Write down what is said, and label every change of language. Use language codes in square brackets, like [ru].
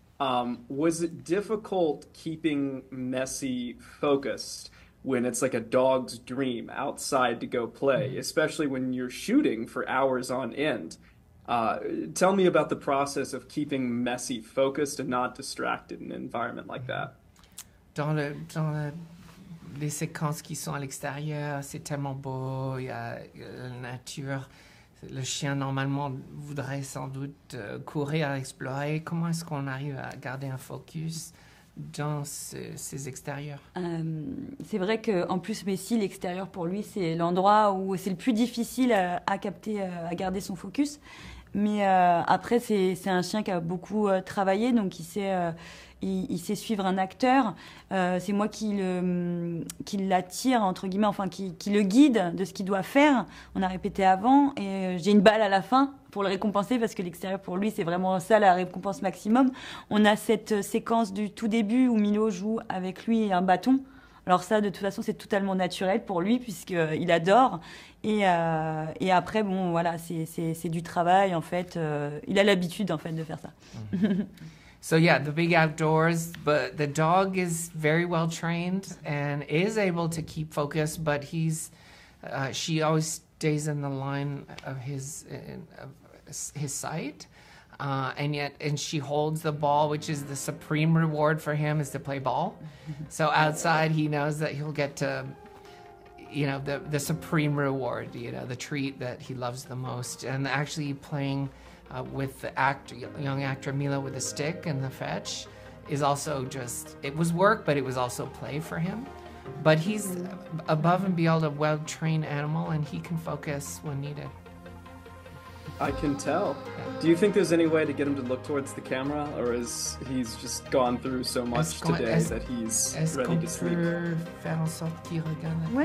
[en] Was it difficult keeping Messi focused when it's like a dog's dream outside to go play, especially when you're shooting for hours on end? Tell me about the process of keeping Messi focused and not distracted in an environment like that. [fr] Dans les séquences qui sont à l'extérieur, c'est tellement beau, il y a la nature. Le chien normalement voudrait sans doute courir à explorer. Comment est-ce qu'on arrive à garder un focus dans ces extérieurs? C'est vrai qu'en plus, Messi, l'extérieur pour lui, c'est l'endroit où c'est le plus difficile à capter, à garder son focus. Mais après, c'est un chien qui a beaucoup travaillé, donc il sait suivre un acteur. C'est moi qui l'attire, entre guillemets, enfin qui le guide de ce qu'il doit faire. On a répété avant et j'ai une balle à la fin pour le récompenser parce que l'extérieur pour lui, c'est vraiment ça la récompense maximum. On a cette séquence du tout début où Milo joue avec lui un bâton. Alors ça, de toute façon, c'est totalement naturel pour lui puisqu'il adore. Et après, bon, voilà, c'est du travail, en fait. Il a l'habitude, en fait, de faire ça. [en] So, yeah, the big outdoors, but the dog is very well trained and is able to keep focus, but she always stays in the line of his sight. And she holds the ball, which is the supreme reward for him, is to play ball. So outside, he knows that he'll get to, you know, the supreme reward, you know, the treat that he loves the most. And actually playing with the actor, young actor Milo, with a stick and the fetch is also just, it was work, but it was also play for him. But he's above and beyond a well-trained animal, and he can focus when needed. I can tell. Do you think there's any way to get him to look towards the camera, or is he's just gone through so much today that he's ready to sleep? [fr] Est-ce qu'on peut faire en sorte qu'il regarde la